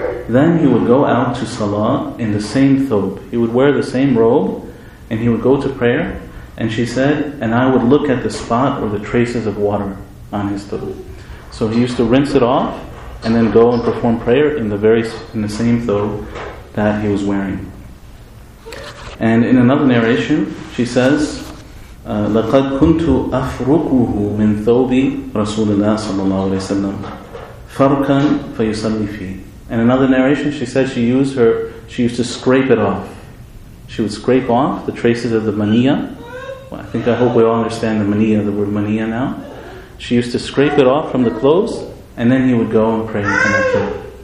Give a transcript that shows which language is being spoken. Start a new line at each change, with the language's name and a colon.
English: Then he would go out to salah in the same thobe. He would wear the same robe and he would go to prayer. And she said, and I would look at the spot or the traces of water on his thobe. So he used to rinse it off and then go and perform prayer in the same thobe that he was wearing. And in another narration, she says,
Arabic: لَقَدْ كُنْتُ أَفْرُقُهُ مِنْ ثَوْبِ رَسُولِ اللَّهِ صَلَّى اللَّهُ عَلَيْهِ وَسَلَّمْ فَرْكًا فَيُسَلِّ فِيهِ.
English: And another narration, she said she used to scrape it off. She would scrape off the traces of the maniyya. Well, I hope we all understand the maniyya, the word maniyya now. She used to scrape it off from the clothes, and then he would go and pray in that prayer.